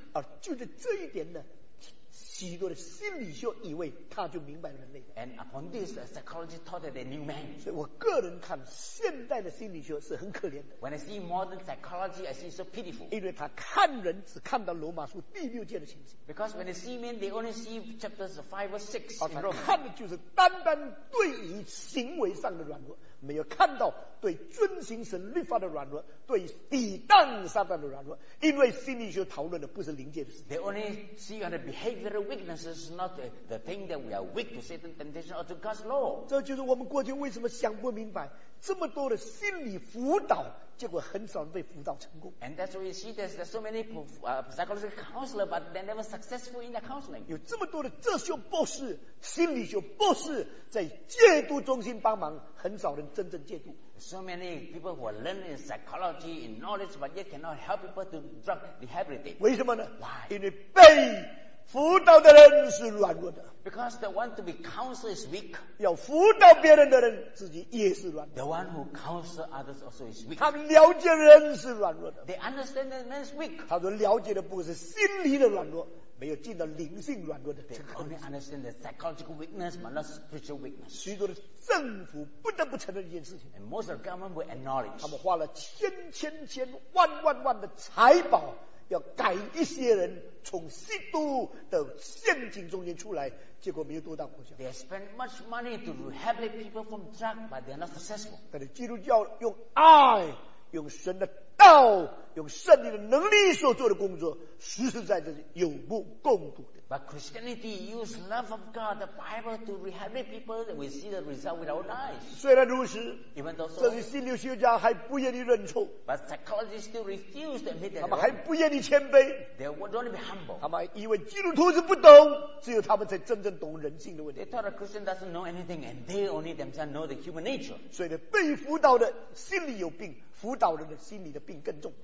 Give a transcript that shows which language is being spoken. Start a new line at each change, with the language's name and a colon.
Chinese: 而就是这一点呢，许多的心理学以为他就明白人类。
English: And upon this, the psychology taught that a new man.
Chinese: 所以我个人看现代的心理学是很可怜的。
English: When I see modern psychology, I see it so pitiful.
Chinese: 因为他看人只看到罗马书第六诫的情形。
English: Because when they see men, they only see chapters 5 or 6 in Rome.
Chinese: 而他看的就是单单对于行为上的软弱，没有看到对遵行神律法的软弱，对抵挡撒旦的软弱。因为心理学讨论的不是灵界的事情。
English: They only see on the behavioral weaknesses, not the thing that we are weak to Satan temptation or to God's law.
Chinese: 这就是我们过去为什么想不明白，这么多的心理辅导，结果很少人被辅导成功。
English: And that's why you see there's so many psychological counselors, but they're never successful in their counseling.
Chinese: 有这么多的哲学博士、心理学博士在戒毒中心帮忙，很少人真正戒毒。
English: So many people who are learning psychology in knowledge, but yet cannot help people to drug rehabilitate.
Chinese: 为什么呢
English: ？Why？
Chinese: 因为被辅导的人是软弱的。
English: Because the one to be counseled is weak.
Chinese: 要辅导别人的人自己也是软弱的。
English: The one who counsels others also is weak.
Chinese: 他了解人是软弱的。
English: They understand that man is weak.
Chinese: 他说了解的不是心理的软弱，没有进到灵性软弱的。
English: They only understand the psychological weakness, but not spiritual weakness.
Chinese: 许多的政府不得不承认一件事情。
English: And most of the government will acknowledge.
Chinese: 他们花了千千千万万万的财宝。要赶一些人从吸毒的陷阱中间出来，结果没有多大果效。
English: They spend much money to rehabilitate people from drug, but they are not successful.
Chinese: 但是基督教用爱、用神的道、用圣灵的能力所做的工作，实实在在是有目共睹的。
English: But Christianity uses love of God, the Bible, to rehabilitate people, and we see the result with our eyes.
Chinese: 虽然如此，
English: even though so,
Chinese: 这些心理学家还不愿意认错。
English: But psychologists still refuse to admit that.
Chinese: 他们还不愿意谦卑。
English: They don't want to be humble.
Chinese: 他们以为基督徒是不懂，只有他们才真正懂人性的问题。
English: They thought a Christian doesn't know anything, and they only themselves know the human nature.
Chinese: 所以被辅导的心里有病，辅导人的心里的病更重。